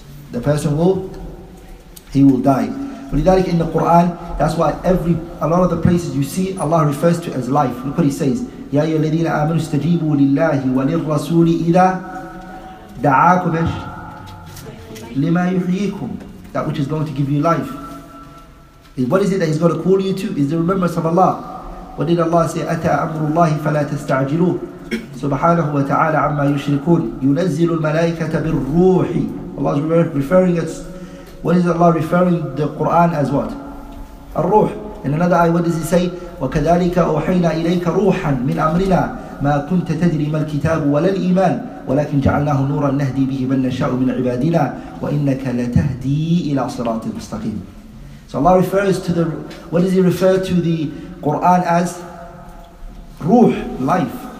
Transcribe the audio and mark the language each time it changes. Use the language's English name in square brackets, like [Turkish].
[English] The person will, he will die. [Arabic] فلذلك [English] in the Quran, that's why a lot of the places you see, Allah refers to as life. Look what he says. [Arabic] يا أيها الذين آمنوا استجيبوا لله وللرسول إذا دعاكم لما يحييكم, [English] that which is going to give you life. What is it that he's going to call you to? Is the remembrance of Allah. What did Allah say? [Arabic] أتى أمر الله فلا تستعجلوه سبحانه وتعالى عما يشركون ينزل الملائكة بالروح. [English] Allah is referring us. What is Allah referring the Quran as what? [Arabic] الروح. [English] In another ayah, what does he say? [Arabic] وَكَذَلِكَ أَوْحَيْنَا إِلَيْكَ رُوحًا مِنْ أَمْرِنَا مَا كُنْتَ تَدْرِي مَا الْكِتَابُ وَلَا الْإِيمَانُ وَلَكِنْ جَعَلْنَاهُ نُورًا نَهْدِي بِهِ مَنْ نَشَاءُ مِنْ عِبَادِنَا وَإِنَّكَ لَتَهْدِي إِلَى صِرَاطٍ مُسْتَقِيمٍ. [English] So Allah refers to the, what does he refer to the Quran as? Ruh, life.